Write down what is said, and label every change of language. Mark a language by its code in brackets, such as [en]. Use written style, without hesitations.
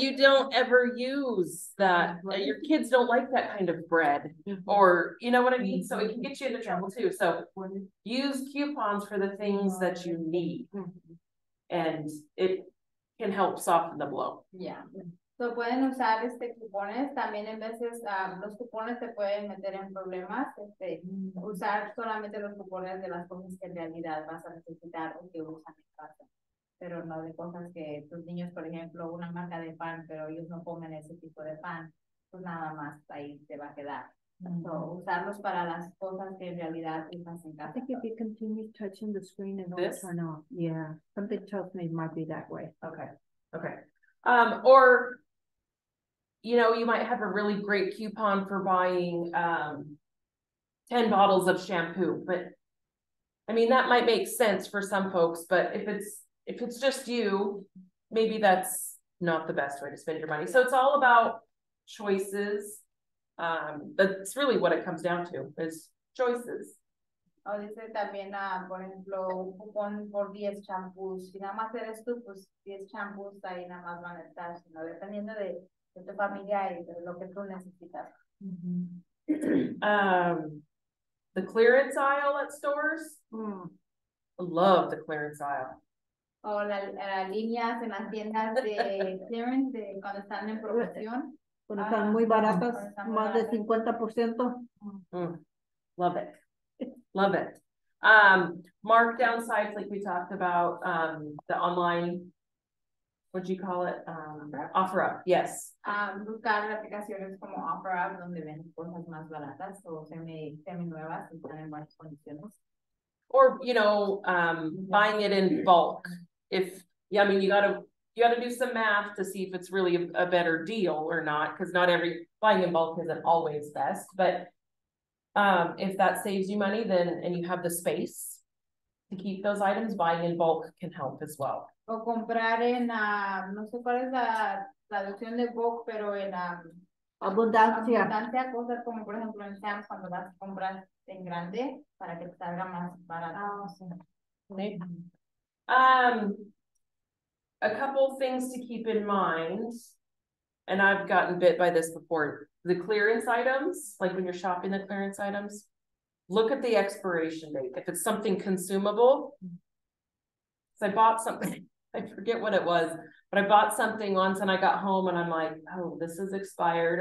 [en] You don't ever use that. Your kids don't like that kind of bread, or you know what I mean? So it can get you into trouble too. So use coupons for the things that you need, and it can help soften the blow. [es] Yeah. So pueden usar cupones. También en veces los cupones te pueden meter en problemas. Usar solamente los cupones de las cosas que en realidad vas a necesitar o que usan en casa. Pero no de cosas que tus niños, por ejemplo, una marca de pan, pero ellos no comen ese tipo de pan, pues nada más ahí te va a quedar. Mm-hmm. So usarlos para las cosas que en realidad usas en casa. [en] I think if you continue touching the screen and all turn off. Yeah, something tells me it might be that way. Okay. Or, you know, you might have a really great coupon for buying 10 bottles of shampoo. But, I mean, that might make sense for some folks. But if it's just you, maybe that's not the best way to spend your money. So it's all about choices. That's really what it comes down to, is choices. [es] O dice también, por ejemplo, un cupón por 10 champús. Si nada más eres tú, pues 10 champús ahí nada más van a estar, sino dependiendo de tu familia y de lo que tú necesitas. [en] Mm-hmm. The clearance aisle at stores. I love the clearance aisle. [es] O las líneas en las tiendas de clearance, de cuando están en promoción. Cuando están muy baratas, más de 50%. [en] Love it. Love it. Markdown sites, like we talked about, the online, what do you call it? OfferUp, yes. [es] Buscar aplicaciones como OfferUp, donde ven cosas más baratas o semi-nuevas y tienen buenas condiciones. [en] Or, you know, buying it in bulk. If, yeah, I mean, you got to you got to do some math to see if it's really a better deal or not, because not every buying in bulk isn't always best. But if that saves you money, then and you have the space to keep those items, buying in bulk can help as well. [es] O comprar en, no sé cuál es la traducción de bulk, pero en abundancia. Abundancia, cosas como por ejemplo en Sam's cuando vas a comprar en grande para que te salga más barato. Ah, sí. [en] A couple things to keep in mind, and I've gotten bit by this before, the clearance items, like when you're shopping the clearance items, look at the expiration date. If it's something consumable, because I bought something, I forget what it was, but I bought something once and I got home and I'm like, oh, this is expired.